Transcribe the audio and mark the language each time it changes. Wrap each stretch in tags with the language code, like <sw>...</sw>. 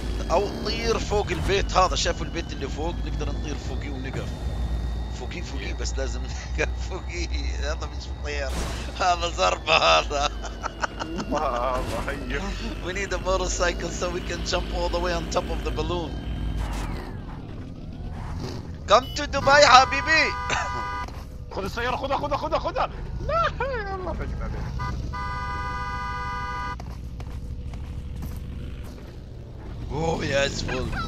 <ar>أو طير فوق البيت هذا، شافوا البيت اللي فوق؟ نقدر نطير فوقي ونقف. فوقي فوقي بس لازم نقف فوقي، هذا مش طيار، هذا زربة هذا. الله يحييك.</ar> <en>We need a motorcycle so we can jump all the way on top of the balloon. Come to Dubai حبيبي.</en> <ar>خذ السيارة خذها خذها خذها خذها. لا الله يحييك.</ar> <en>Oh yes, full.</en>